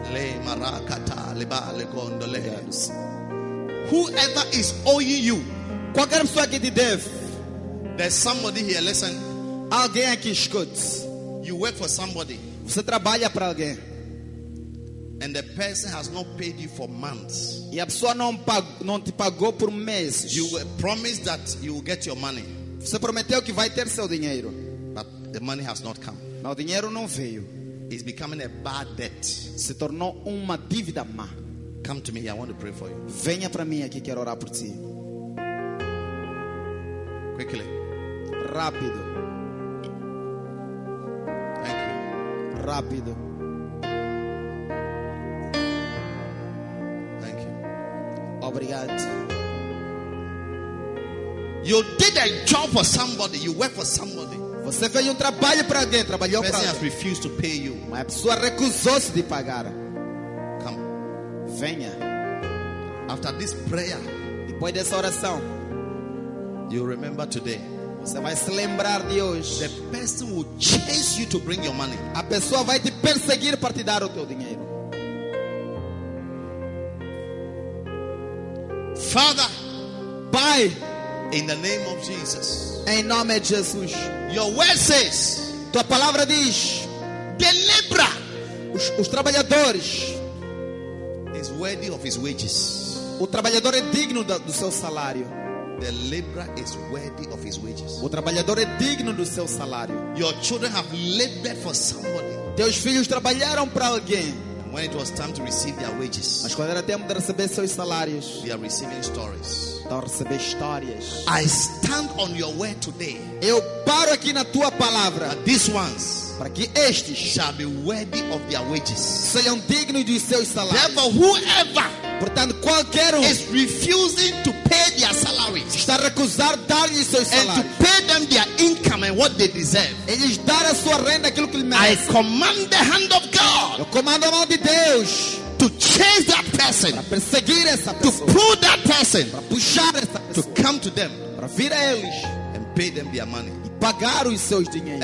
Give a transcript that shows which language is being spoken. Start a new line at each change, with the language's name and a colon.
English: Le marakata lebale gondole. Whoever is owing you,
Portuguese: qualquer pessoa que te deve.
English: There's somebody here. Listen.
Portuguese: Alguém aqui escute.
English: You work for somebody.
Portuguese: Você trabalha para alguém.
English: And the person has not paid you for months.
Portuguese: E a pessoa não te pagou por meses.
English: You were promised that you will get your money.
Portuguese: Você prometeu que vai ter seu dinheiro.
English: But the money has not come.
Portuguese: Mas o dinheiro não veio.
English: It's becoming a bad debt.
Portuguese: Se tornou uma dívida má.
English: Come to me, I want to pray for you.
Portuguese: Venha para mim aqui, quero orar por ti.
English: Quickly.
Portuguese: Rápido. Rápido.
English: Thank you.
Portuguese: Obrigado.
English: You did a job for somebody. You work for somebody.
Portuguese: Você fez trabalho para alguém. Trabalhou para alguém.
English: Person has refused to pay you.
Portuguese: Uma pessoa recusou-se de pagar.
English: Come.
Portuguese: Venha.
English: After this prayer,
Portuguese: depois dessa oração,
English: you remember today.
Portuguese: Você vai se lembrar de hoje.
English: The person will chase you to bring your money.
Portuguese: A pessoa vai te perseguir para te dar o teu dinheiro.
English: Father,
Portuguese: Pai,
English: in the name of Jesus.
Portuguese: Em nome de Jesus.
English: Your word says.
Portuguese: Tua palavra diz. Delibra. Os trabalhadores.
English: Is worthy of his wages.
Portuguese: O trabalhador é digno do seu salário.
English: The laborer is worthy of his wages.
Portuguese: O trabalhador é digno do seu salário.
English: Your children have labored for somebody.
Portuguese: Teus filhos trabalharam para alguém.
English: And when it was time to receive their wages,
Portuguese: mas quando era tempo de receber seus salários,
English: they are receiving stories.
Portuguese: Estão a receber histórias.
English: I stand on your word today.
Portuguese: Eu paro aqui na tua palavra.
English: But these ones,
Portuguese: para que estes,
English: shall be worthy of their wages.
Portuguese: Sejam dignos dos seus salários.
English: Therefore, whoever.
Portuguese: Portanto, qualquer um
English: is refusing to pay their salaries,
Portuguese: está a recusar dar-lhes seus salários,
English: and to pay them their income and what they deserve,
Portuguese: eles dar a sua renda aquilo que lhe merece.
English: I command the hand of God,
Portuguese: eu comando a mão de Deus,
English: to chase that person,
Portuguese: para perseguir essa pessoa,
English: to pull that person,
Portuguese: para puxar essa pessoa,
English: to come to them,
Portuguese: para vir a eles,
English: and pay them their money,
Portuguese: e pagar os seus dinheiros.